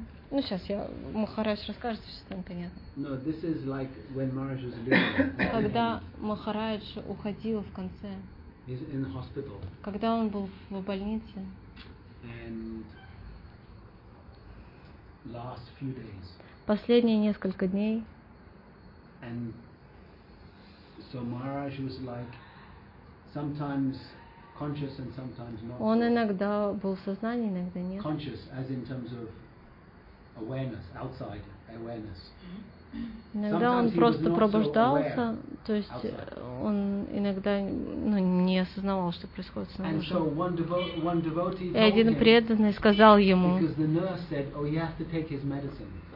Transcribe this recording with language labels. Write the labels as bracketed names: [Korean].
[Russian] Ну сейчас я Махарадж расскажет, что там понятно. [English] No, this is like when Maharaj was leaving. [Russian] Когда Махарадж уходил в конце. [English] He's in the hospital. [Russian] Когда он был в больнице. [English] And last few days. [Russian] Последние несколько дней. [English] And so Maharaj was like sometimes conscious and sometimes not. [Russian] Он иногда был в сознании, иногда нет. [English] Conscious as in terms of awareness, outside awareness. [Russian] Иногда он просто пробуждался, то есть он иногда не осознавал, что происходит с ним. [English] And so one devotee told him. [Russian] И один преданный сказал ему. [English] Because the nurse said, "Oh, you have to take his medicine."